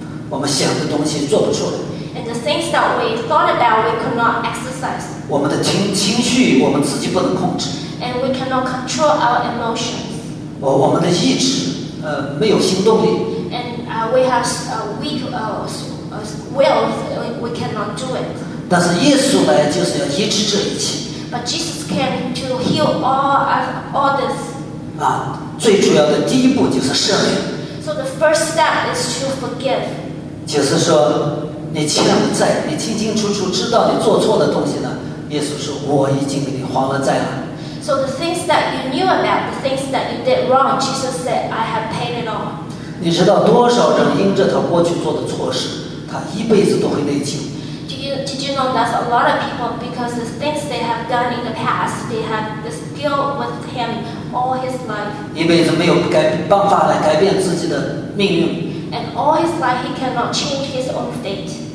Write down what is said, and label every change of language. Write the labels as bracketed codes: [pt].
[zh] 我们想的东西做不出来。 [en] And the things that we thought about, we could not exercise. [zh] 我们的情绪我们自己不能控制。 [en] And we cannot control our emotions. [zh] 我们的意志。没有行动力。 [en] And we have weak will. We cannot do it. [zh] 但是耶稣来就是要医治这一切。 [en] But Jesus came to heal all this. [zh] 最主要的第一步就是赦免。 [en] So the first step is to forgive. [zh] 就是说，你欠的债，你清清楚楚知道你做错的东西呢？耶稣说，我已经给你还了债了。 [en] So the things that you knew about, the things that you did wrong, Jesus said, I have paid it all. [zh] 你知道多少人因着他过去做的错事，他一辈子都会内疚。 [en] Did you know that a lot of people, because the things they have done in the past, they have this guilt with him all his life. [zh] 一辈子没有办法来改变自己的命运。 [en] And all his life, he cannot change his own fate.